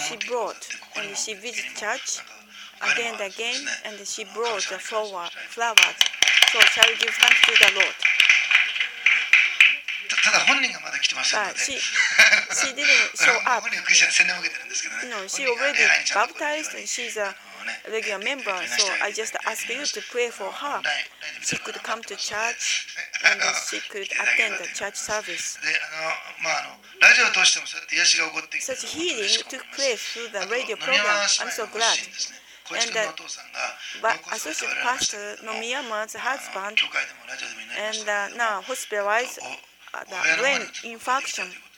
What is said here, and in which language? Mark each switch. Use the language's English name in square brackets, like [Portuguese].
[English] she brought and she visited church again and again, and she brought the flowers. So shall we give thanks to the Lord? [Japanese] ただ本人がまだ来てませんので。 [English] She didn't show up. [Japanese] 本人はクリスチャン洗礼を受けてるんですけどね。 [English] No, she already baptized and she's a regular member. So I just ask you to pray for her. She could come to church and she could attend the church service. [Japanese] で、ラジオを通してもそうやって癒しが起こっていく。 [English] Such healing took place through the radio program. I'm so glad. And Associate Pastor Nomiyama's husband, and now hospitalized the brain infarction.